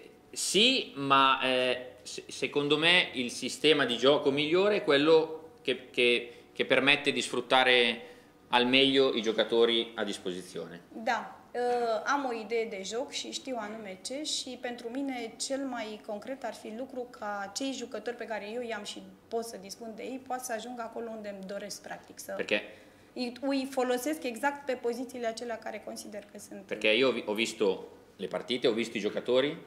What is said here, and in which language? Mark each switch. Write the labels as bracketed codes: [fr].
[it] Sì, ma secondo me il sistema di gioco migliore è quello che permette di sfruttare al meglio i giocatori a disposizione. [ro] Da, am o idee de joc și știu anume ce și pentru mine cel mai concret ar fi lucru ca cei jucători pe care eu i-am și pot să dispun de ei poate să ajungă acolo unde îmi doresc practic. [it] Perché? [ro] Îi folosesc exact pe pozițiile acelea care consider că sunt... [it] Perché io ho visto le partite, ho visto i giocatori.